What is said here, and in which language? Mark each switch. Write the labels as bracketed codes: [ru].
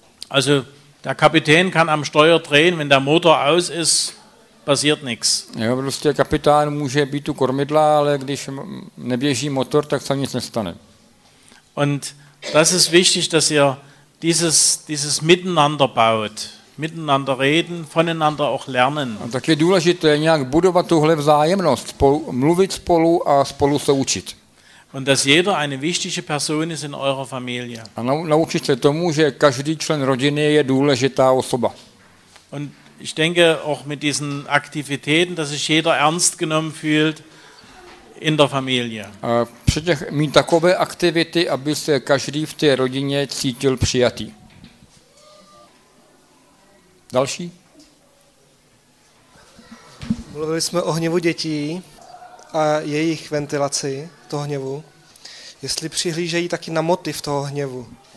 [de] Also der Kapitän kann am Steuer drehen, wenn der Motor aus ist, passiert nichts. [cs] Jo, prostě kapitán může být u kormidla, ale když neběží motor, tak se nic nestane. [de] Und das ist wichtig, dass ihr dieses Miteinander baut, miteinander reden, voneinander auch lernen. [cs] A tak je důležité nějak budovat tuhle vzájemnost, mluvit spolu a spolu se učit. [de] Und dass jeder eine wichtige Person ist in eurer Familie. [cs] A naučit se tomu, že každý člen rodiny je důležitá osoba. [de] Und ich denke auch mit diesen Aktivitäten, dass sich jeder ernst genommen fühlt in der Familie. [cs] A při těch, mít takové aktivity, aby se každý v té rodině cítil přijatý. Další? Mluvili jsme o hněvu dětí a jejich ventilaci toho hněvu, jestli přihlížejí taky na motiv toho hněvu.